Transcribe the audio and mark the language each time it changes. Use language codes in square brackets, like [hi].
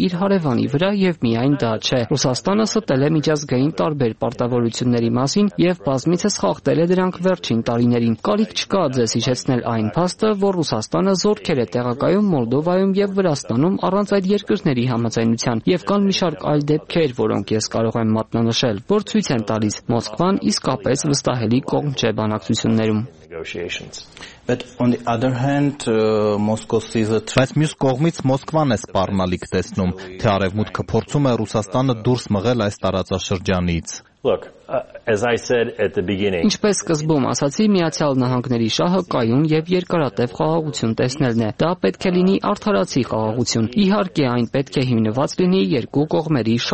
[hy] իր հարևանի վրա եւ միայն դա չէ։ Ռուսաստանը ստել է միջազգային տարբեր պարտավորությունների մասին եւ բազմիցս խախտել է դրանք վերջին տարիներին։ Կարիք չկա ձեզ հիշեցնել այն փաստը, որ Ռուսաստանը զորքեր է տեղակայում Մոլդովայում եւ Վրաստանում առանց այդ երկրների համաձայնության, եւ կան մի շարք այլ դեպքեր, որոնք ես կարող եմ մատնանշել, որ ցույց են տալիս Մոսկվան իսկապես վստահելի կողմ չէ բանակցություններում։ [en] But on the other hand, Moscow sees it. [hy] Բայց մյուս կողմից Մոսկվան է սպառնալիք տեսնում, թե արևմուտքը փորձում է Ռուսաստանը դուրս մղել այս տարածաշրջանից։ [en] Look, as I said at the beginning. [hy] Ինչպես սկզբում ասացի, Միացյալ Նահանգների շահը կայուն եւ երկարատև խաղաղություն տեսնելն է։ Դա պետք է լինի արդարացի խաղաղություն։ Իհարկե, այն պետք է հիմնված լինի երկու կողմերի